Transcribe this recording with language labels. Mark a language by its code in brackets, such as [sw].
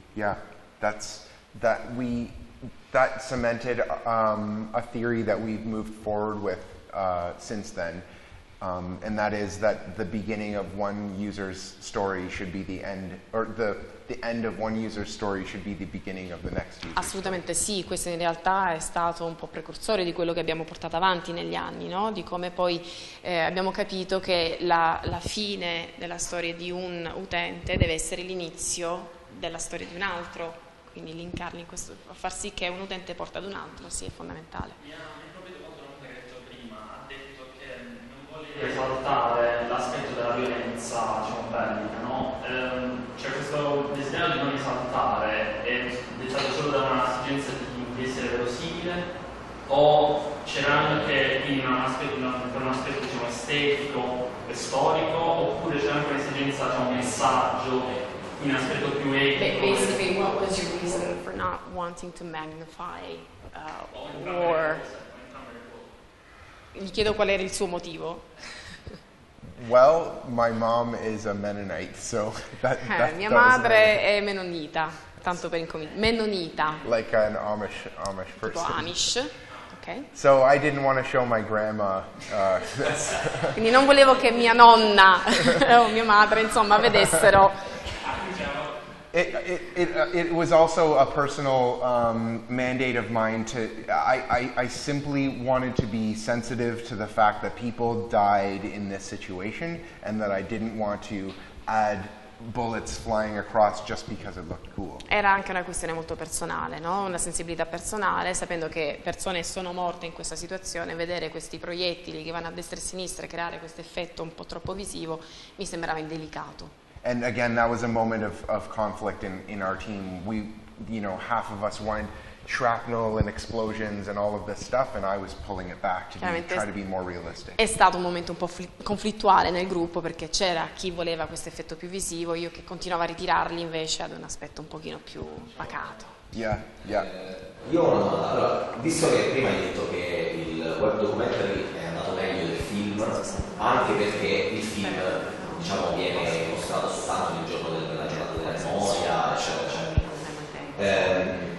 [en] Yeah, that cemented a theory that we've moved forward with since then, and that is that the beginning of one user's story should be the end, or the end of one user's story should be the beginning of the next user. [it] Assolutamente sì, questo in realtà è stato un po' precursore di quello che abbiamo portato avanti negli anni, no? Di come poi abbiamo capito che la fine della storia di un utente deve essere l'inizio della storia di un altro, quindi linkarli in questo, far sì che un utente porta ad un altro, sì, è fondamentale. Esaltare l'aspetto della violenza, diciamo, bellica, no? C'è questo desiderio di non esaltare, è dettato solo da un'esigenza di essere verosimile, o c'era anche un aspetto diciamo, estetico e storico, oppure c'è anche un'esigenza, diciamo, un messaggio, un aspetto più etico? Beh, penso che [en] was your reason for not wanting to magnify war? [it] Gli chiedo qual era il suo motivo. [en] Well, my mom is a Mennonite, so that [it] mia madre è mennonita, tanto per incominciare. Mennonita. [en] Like an Amish person. [it] Tipo Amish. Okay. [en] So I didn't want to show my grandma this. [it] Quindi non volevo che mia nonna o mia madre, insomma, vedessero. [en] It was also a personal mandate of mine to, I simply wanted to be sensitive to the fact that people died in this situation and that I didn't want to add bullets flying across just because it looked cool. [it] Era anche una questione molto personale, no? Una sensibilità personale, sapendo che persone sono morte in questa situazione, vedere questi proiettili che vanno a destra e a sinistra e creare questo effetto un po' troppo visivo mi sembrava indelicato. [en] And again, that was a moment of conflict in our team. We, you know, half of us wanted shrapnel and explosions and all of this stuff, and I was pulling it back to try to be more realistic. [it] È stato un momento un po' conflittuale nel gruppo perché c'era chi voleva questo effetto più visivo, io che continuavo a ritirarli invece ad un aspetto un pochino più pacato. [en] Yeah. [it] Io, allora, visto che prima hai detto che il web documentary è andato meglio del film, anche perché il film, diciamo, viene mostrato soltanto il giorno della giornata della memoria, eccetera.